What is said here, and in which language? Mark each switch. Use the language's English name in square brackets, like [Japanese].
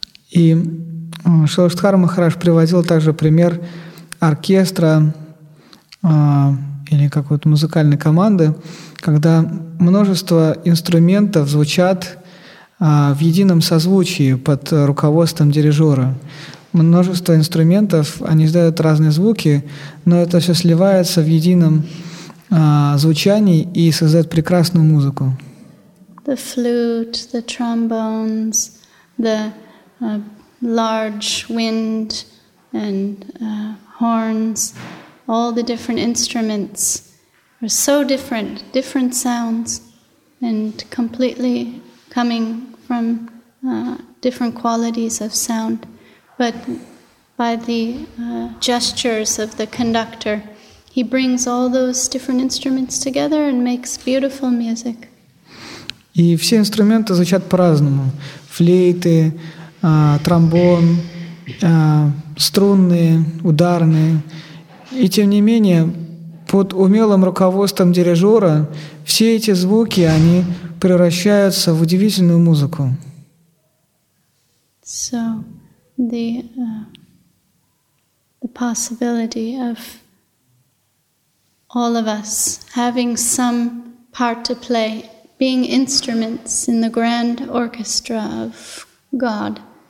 [Russian] И Шиладхара Махараш приводил также пример оркестра или какой-то музыкальной команды, когда множество инструментов звучат в едином созвучии под руководством дирижера. Множество инструментов, они издают разные звуки, но это все сливается в едином звучание и создает прекрасную музыку. [English] The flute, the trombones, the large wind and horns, all the different instruments are so different, different sounds and completely coming from different qualities of sound, but by the gestures of the conductor he brings all those different instruments together and makes beautiful music. [Russian] И все инструменты звучат по-разному. Флейты, тромбон, струнные, ударные. И тем не менее, под умелым руководством дирижера все эти звуки, они превращаются в удивительную музыку. [English] So, the possibility of all of us having some part to play, being instruments in the grand orchestra of God.